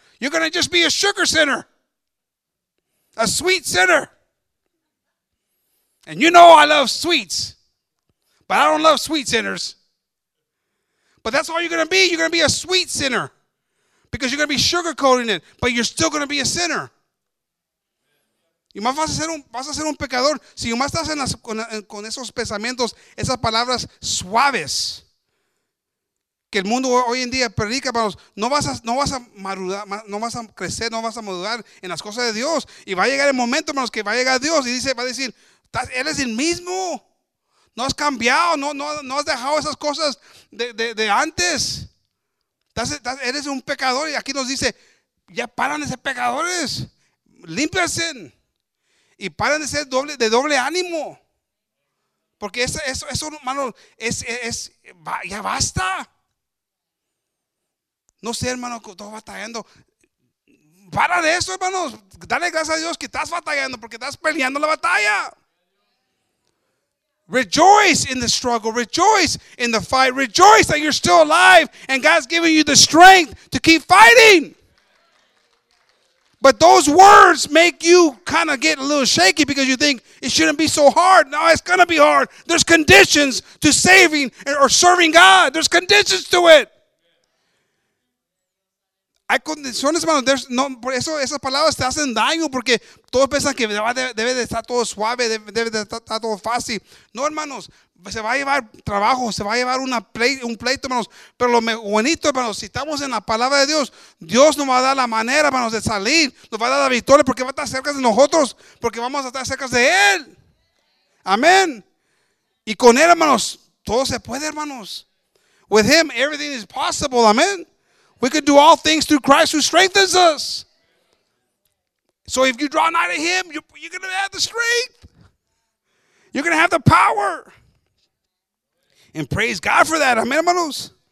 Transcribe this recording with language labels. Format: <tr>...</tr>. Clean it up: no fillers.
<en>You're going to just be a sugar sinner. A sweet sinner. And you know I love sweets. But I don't love sweet sinners. But that's all you're going to be. You're going to be a sweet sinner. Because you're going to be sugarcoating it. But you're still going to be a sinner.</en> <es>Y más vas a ser un pecador. Si más estás con esos pensamientos, esas palabras suaves que el mundo hoy en día predica, hermanos, no vas a crecer, no vas a madurar en las cosas de Dios. Y va a llegar el momento, hermanos, que va a llegar Dios y dice, va a decir, eres el mismo. No has cambiado, no has dejado esas cosas de antes. Eres un pecador. Y aquí nos dice, ya paran de ser pecadores. Límpiense. Y paran de ser doble ánimo. Porque eso, hermano, es ya basta. No sé, hermano, que estás batallando. Para de eso, hermanos. Dale gracias a Dios que estás batallando, porque estás peleando la batalla.</es> <en>Rejoice in the struggle. Rejoice in the fight. Rejoice that you're still alive and God's giving you the strength to keep fighting. But those words make you kind of get a little shaky, because you think it shouldn't be so hard. No, it's going to be hard. There's conditions to saving or serving God. There's conditions to it.</en> <es>Hay condiciones, hermano. Esas palabras te hacen daño, porque todos piensan que debe de estar todo suave, debe de estar todo fácil. No, hermanos. Se va a llevar trabajo, se va a llevar un pleito, hermanos. Pero lo bonito, hermanos, si estamos en la palabra de Dios, Dios nos va a dar la manera, hermanos, de salir. Nos va a dar la victoria, porque va a estar cerca de nosotros, porque vamos a estar cerca de Él. Amén. Y con Él, hermanos, todo se puede, hermanos.</es> <en>With Him, everything is possible. Amén. We can do all things through Christ who strengthens us. So if you draw nigh to Him, you're going to have the strength. You're going to have the power. And praise God for that. Amen, hermanos.</en>